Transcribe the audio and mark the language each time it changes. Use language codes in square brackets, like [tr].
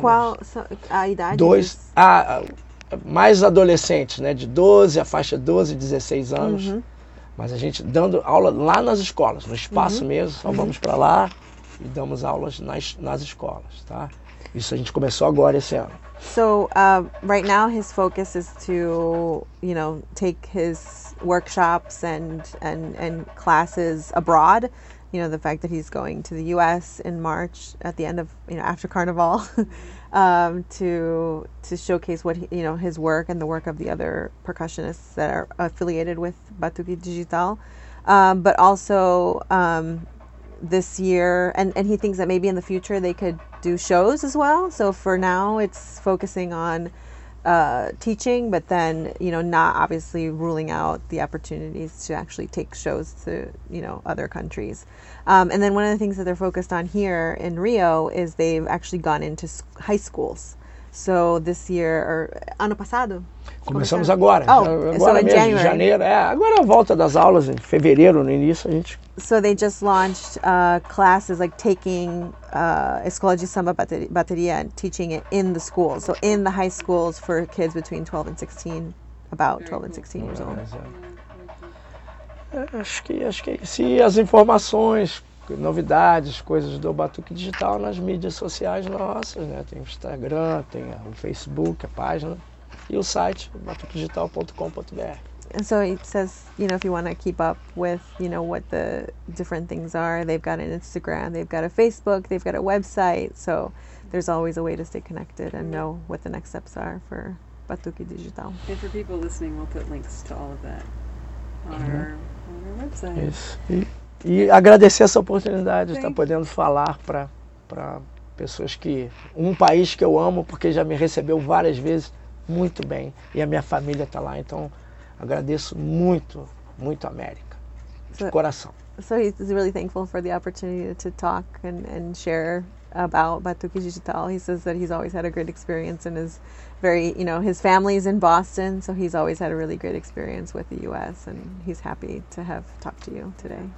[pt] Qual a idade? Dois, mais adolescentes, né, de 12, a faixa 12, 16 anos. Uhum. Mas a gente dando aula lá nas escolas, no espaço mesmo, só vamos para lá e damos aulas nas escolas, tá? Isso a gente começou agora esse ano. [en] So right now his focus is to, you know, take his workshops and classes abroad. You know, the fact that he's going to the U.S. in March at the end of, you know, after Carnival to showcase what, he, you know, his work and the work of the other percussionists that are affiliated with Batuque Digital. But also this year, and he thinks that maybe in the future they could do shows as well. So for now it's focusing on teaching, but then, you know, not obviously ruling out the opportunities to actually take shows to, you know, other countries. And then one of the things that they're focused on here in Rio is they've actually gone into high schools. So this year, or [pt] ano passado? Começamos agora. Oh, agora [en] so in [pt] mesmo, [en] January. [pt] Janeiro, agora a volta das aulas, em fevereiro, no início, a gente... [en] So they just launched classes, like taking Escola de Samba Bateria and teaching it in the schools. So in the high schools for kids between 12 and 16, about 12 and 16 years old. [pt] Acho que se as informações, novidades, coisas do Batuque Digital nas mídias sociais nossas, né? Tem o Instagram, tem o Facebook, a página, e o site batuquedigital.com.br. [en] And so it says, you know, if you want to keep up with, you know, what the different things are, they've got an Instagram, they've got a Facebook, they've got a website, so there's always a way to stay connected and know what the next steps are for Batuque Digital. And for people listening, we'll put links to all of that on our website. [pt] E agradecer essa oportunidade de estar podendo falar para pessoas que... Um país que eu amo, porque já me recebeu várias vezes muito bem. E a minha família está lá. Então, agradeço muito, muito a América. De coração. [en] So he's really thankful for the opportunity to talk and share about Batuque Digital. He says that he's always had a great experience and is very, you know, his family's in Boston, so he's always had a really great experience with the U.S. and he's happy to have talked to you today.